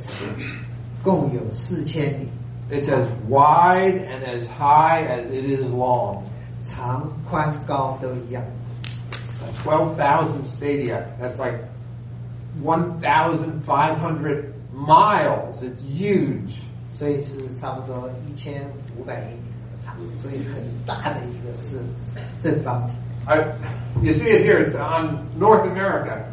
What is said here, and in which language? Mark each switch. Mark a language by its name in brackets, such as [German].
[Chinese] 所以天使用文字量那个长，共有四千里。 [English] It's as wide and as high as it is long. [Chinese] 长宽高都一样。 [English] 12,000 stadia, that's like 1,500 miles. It's huge. [Chinese] 所以是差不多1500英里的长，所以很大的一个四正方体。 [English] You see it here, it's on North America.